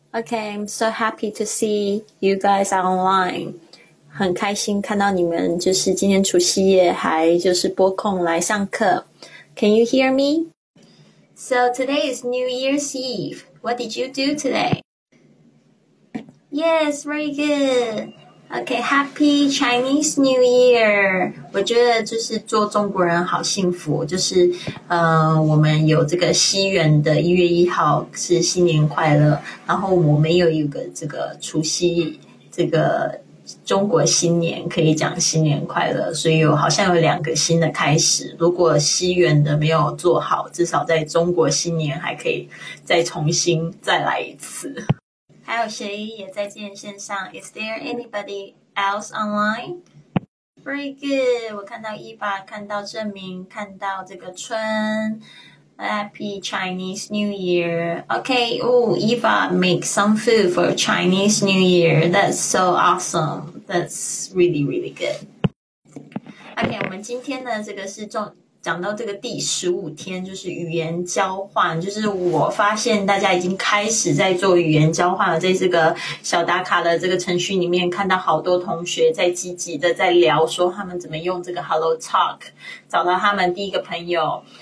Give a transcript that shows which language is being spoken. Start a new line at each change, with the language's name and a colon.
English: Okay, I'm so happy to see you guys online.
Chinese: 很开心看到你们，就是今天除夕夜还就是播控来上课。
English: Can you hear me? So today is New Year's Eve. What did you do today? Yes, very good. Okay, Happy Chinese New Year.
Chinese: 我觉得就是做中国人好幸福，就是我们有这个西元的1月1号是新年快乐，然后我们又有个这个除夕，这个中国新年可以讲新年快乐，所以有好像有两个新的开始。如果西元的没有做好，至少在中国新年还可以再重新再来一次。还有谁也在见线上 ？
English: Is there anybody else online? Very good.
Chinese: 我看到伊爸，看到郑明，看到这个春。
English: Happy Chinese New Year. Okay. Oh, Eva make some food for Chinese New Year. That's so awesome. That's really, really good. Okay.
Chinese: 我们今天呢，这个是重讲到这个第十五天，就是语言交换。就是我发现大家已经开始在做语言交换了，在这个小打卡的这个程序里面，看到好多同学在积极的在聊，说他们怎么用这个 HelloTalk 找到他们第一个朋友。